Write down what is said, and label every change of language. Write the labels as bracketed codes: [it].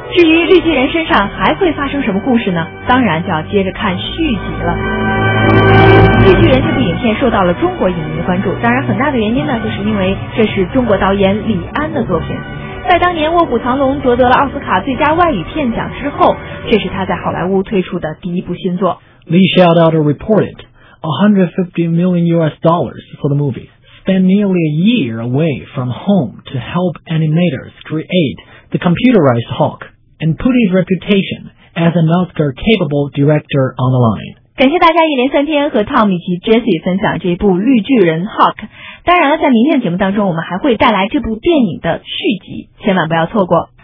[zh] 至于绿巨人身上还会发生什么故事呢？当然就要接着看续集了。绿巨人这部影片受到了中国影迷的关注，当然很大的原因呢，就是因为这是中国导演李安的作品。在当年《卧虎藏龙》夺得了奥斯卡最佳外语片奖之后，这是他在好莱坞推出的第一部新作。 [en] Lee shelled out a reported $150 million for the movie. Spent nearly a year away from home to help animators create the computerized Hulk and put his reputation as an Oscar-capable director on the line. [zh] 感谢大家一连三天和 Tom 以及 Jesse 分享这部绿巨人 Hulk。当然了，在明天的节目当中，我们还会带来这部电影的续集，千万不要错过。